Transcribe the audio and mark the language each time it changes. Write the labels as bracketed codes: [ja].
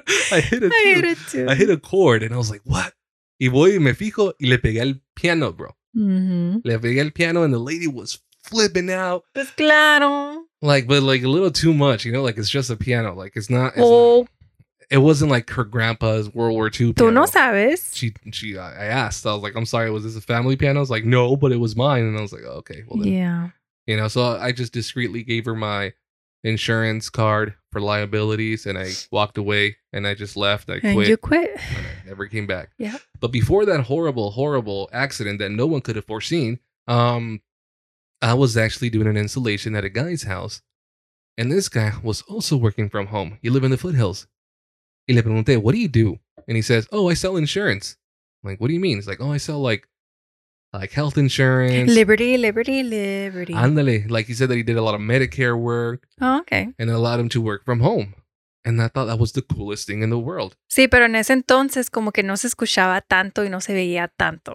[en] I hit a chord and I was like, what? [es] Y voy y me fijo y le pegué el piano, bro. Le pegué el piano [en] and the lady was flipping out. [es] Pues claro. [en] Like, but like a little too much, you know, like it's just a piano. Like it's not. It wasn't like her grandpa's World War II piano. [es] Tú no sabes. [en] She, I asked. I was like, I'm sorry, was this a family piano? I was like, no, but it was mine. And I was like, oh, okay, well then. Yeah. You know, so I just discreetly gave her my insurance card for liabilities and I walked away and I just left. I and quit. You quit. And I never came back. Yeah. But before that horrible, horrible accident that no one could have foreseen, I was actually doing an installation at a guy's house and this guy was also working from home. He lived in the foothills. [es] Y le pregunté, [en] what do you do? And he says, oh, I sell insurance. I'm like, what do you mean? He's like, oh, I sell like health insurance. Liberty, liberty, liberty. Andale. Like he said that he did a lot of Medicare work. Oh, okay. And it allowed him to work from home. And I thought that was the coolest thing in the world. [es] Sí, pero en ese entonces como que no se escuchaba tanto y no se veía tanto.